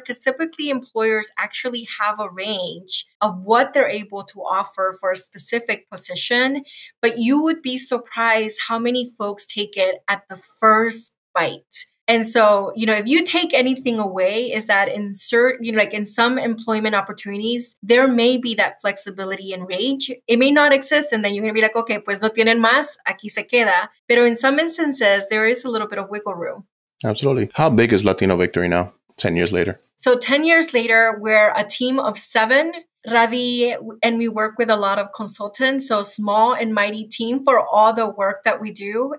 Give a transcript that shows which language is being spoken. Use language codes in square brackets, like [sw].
[en] Because typically employers actually have a range of what they're able to offer for a specific position. But you would be surprised how many folks take it at the first bite. And so, you know, if you take anything away, is that in certain, you know, like in some employment opportunities, there may be that flexibility and range. It may not exist. And then you're going to be like, okay, [es] pues no tienen más, aquí se queda. Pero [en] in some instances, there is a little bit of wiggle room. Absolutely. How big is Latino Victory now? 10 years later? So 10 years later, we're a team of seven. Radhy and we work with a lot of consultants, so small and mighty team for all the work that we do.